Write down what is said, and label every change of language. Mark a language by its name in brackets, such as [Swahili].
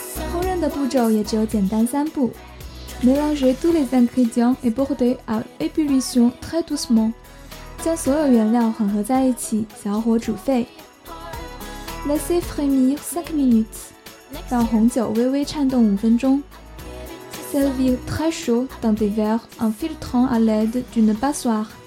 [Chinese] 烹饪的步骤也只有简单三步。 [French] Mélanger tous les ingrédients et border à ébullition très doucement。 [Chinese] 将所有原料混合在一起，小火煮沸。 [French] Laissez frémir 5 minutes， [Chinese] 让红酒微微颤动5分钟。 [French] Servir très chaud dans des verres en filtrant à l'aide d'une passoire。